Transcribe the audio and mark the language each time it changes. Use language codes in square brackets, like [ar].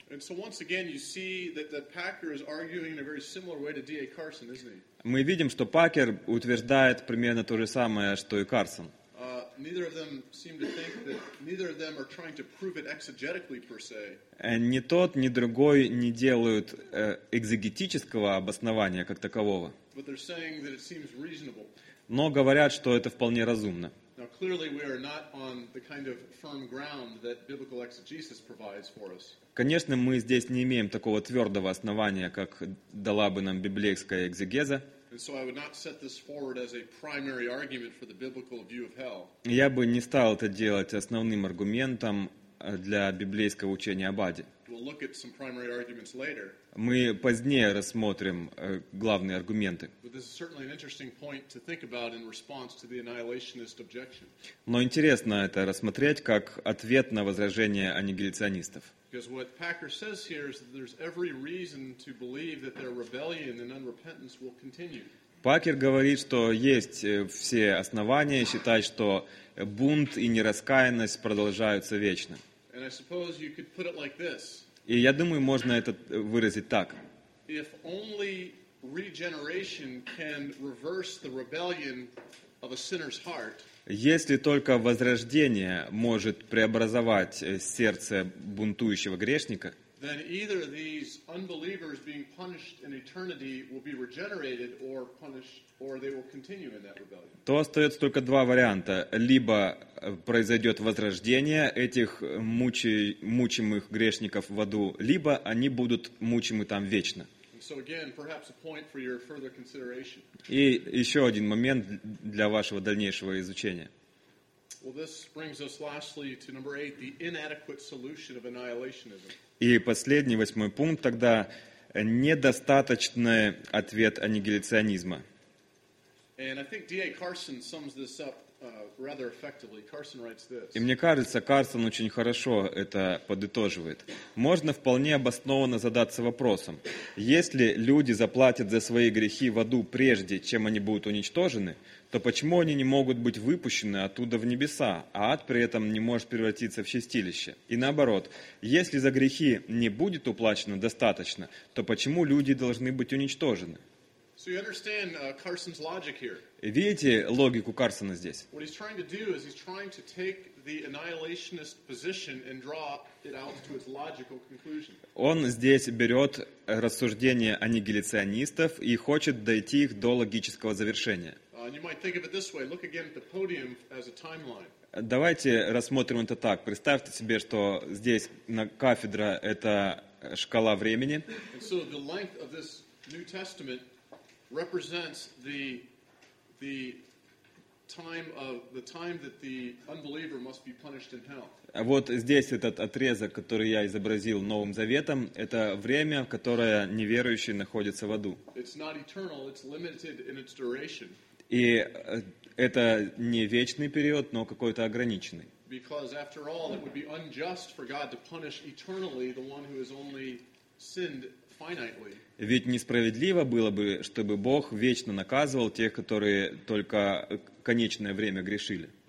[ru] Мы видим, что Пакер утверждает примерно то же самое, что и Карсон. Ни тот, ни другой не делают экзегетического обоснования как такового. [en] But they're saying that it seems reasonable. [ru] Но говорят, что это вполне разумно. [en] Now, clearly we are not on the kind of firm ground that biblical exegesis provides for us. [ru] Конечно, мы здесь не имеем такого твердого основания, как дала бы нам библейская экзегеза. [en] And so I would not set this forward as a primary argument for the biblical view of hell. [ru] Я бы не стал это делать основным аргументом для библейского учения об аде. [en] We'll look at some primary arguments later. [ru] Мы позднее рассмотрим главные аргументы. [en] But this is certainly an interesting point to think about in response to the annihilationist objection. [ru] Но интересно это рассмотреть как ответ на возражение аннигиляционистов. [en] Because what Packer says here is that there's every reason to believe that their rebellion and unrepentance will continue. [ru] Пакер говорит, что есть все основания считать, что бунт и нераскаянность продолжаются вечно. [en] And I suppose you could put it like this. [ru] И я думаю, можно это выразить так. [en] If only regeneration can reverse the rebellion of a sinner's heart. [ru] Если только возрождение может преобразовать сердце бунтующего грешника, то остается только два варианта. Либо произойдет возрождение этих мучимых грешников в аду, либо они будут мучимы там вечно. [en] So again, perhaps a point for your further consideration. [ru] И еще один момент для вашего дальнейшего изучения. [en] Well, this brings us lastly to number 8, the inadequate solution of annihilationism. [ru] И последний, восьмой пункт тогда, недостаточный ответ аннигиляционизма. [en] And I think D.A. Carson sums this up rather effectively. Carson writes this. [ru] И мне кажется, Карсон очень хорошо это подытоживает. Можно вполне обоснованно задаться вопросом, если люди заплатят за свои грехи в аду прежде, чем они будут уничтожены, то почему они не могут быть выпущены оттуда в небеса, а ад при этом не может превратиться в чистилище? И наоборот, если за грехи не будет уплачено достаточно, то почему люди должны быть уничтожены? [en] So you understand Carson's logic here. [ru] Видите логику Карсона здесь? [en] What he's trying to do is he's trying to take the annihilationist position and draw it out to its logical conclusion. [ru] Он здесь берет рассуждения аннигиляционистов и хочет дойти их до логического завершения. [en] You might think of it this way. Look again at the podium as a timeline. [ru] Давайте рассмотрим это так. Представьте себе, что здесь на кафедре это шкала времени. [en] And so the length of this New Testament represents the time of the time that the unbeliever must be punished in hell. [ru] Вот здесь этот отрезок, который я изобразил Новым Заветом, это время, в которое неверующий находится в аду. [en] It's not eternal, it's limited in its duration. [ru] И это не вечный период, но какой-то ограниченный. [en] Because after all, it would be unjust for God to punish eternally the one who has only sinned. [ru] Ведь несправедливо было бы, чтобы Бог вечно наказывал тех, которые только конечное время грешили.